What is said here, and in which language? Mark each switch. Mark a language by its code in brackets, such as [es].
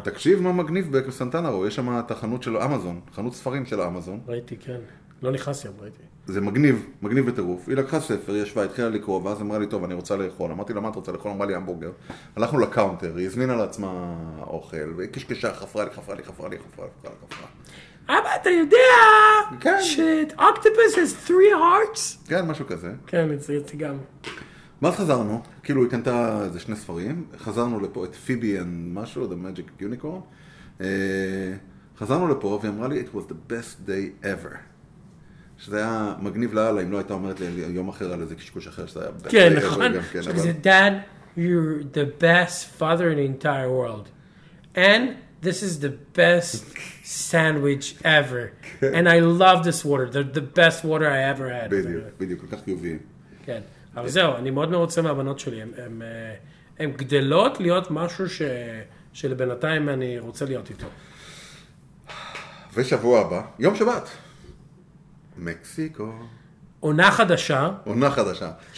[he] תקשיב מה מגניב בעקב סנטנה רו. יש שם את החנות של אמזון, חנות ספרים של אמזון. ראיתי, כן. לא נכנסתי, ראיתי. זה מגניב, מגניב בטירוף. היא לקחה ספר, ישבה, התחילה לקרוא, ואז אמרה לי, טוב, אני רוצה לאכול. אמרתי לה, מה את רוצה לאכול? אמרה לי, המבורגר. הלכנו לקאונטר, היא הזמינה לעצמה אוכל, והיא קשקשה, חפרה לי, חפרה לי, חפרה לי, חפרה לי, חפרה לי, חפרה לי. אבא, אתה יודע? כן. שאת אוקטופוס [en] has three hearts? [he] כן, משהו כזה. כן, הצייתי גם. ואז חזרנו, כאילו, היא קנתה איזה שני ספרים, חזרנו לפה את פיבי and משהו, [en] the magic unicorn. [he] חזרנו לפה, והיא אמרה לי, [en] it was the best day ever. [he] שזה היה מגניב לאללה, אם לא הייתה אומרת לי יום אחר על איזה קשקוש אחר, שזה היה [en] best day ever. [he] כן, נכון. שזה, [en] dad, you're the best father in the entire world. And... This is the best sandwich ever. And I love this water. The best water I ever had. [he] בדיוק, כל כך חיובי. כן. אבל זהו, אני מאוד מרוצה מהבנות שלי. הן גדלות להיות משהו שלבינתיים אני רוצה להיות איתו. ושבוע הבא, יום שבת. מקסיקו. עונה חדשה. עונה חדשה.